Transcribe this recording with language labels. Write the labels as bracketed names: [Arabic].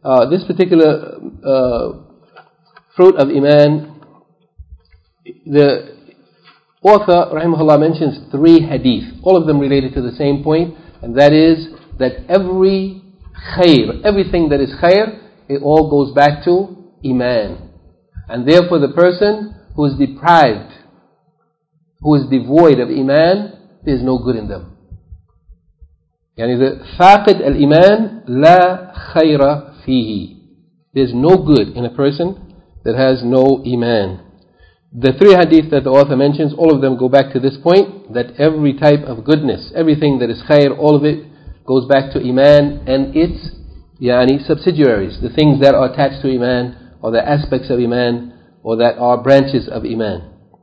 [English] This particular fruit of iman, the author rahimahullah mentions three hadith, all of them related to the same point, and that is that every khair, everything that is khair, it all goes back to iman. And therefore the person who is deprived, who is devoid of iman, there is no good in them. [Arabic] يعني the فاقد الإيمان لا خير فيه. [English] There's no good in a person that has no iman. The three hadith that the author mentions, all of them go back to this point, that every type of goodness, everything that is khair, all of it goes back to iman and its yani subsidiaries, the things that are attached to iman, or the aspects of iman, or that are branches of iman.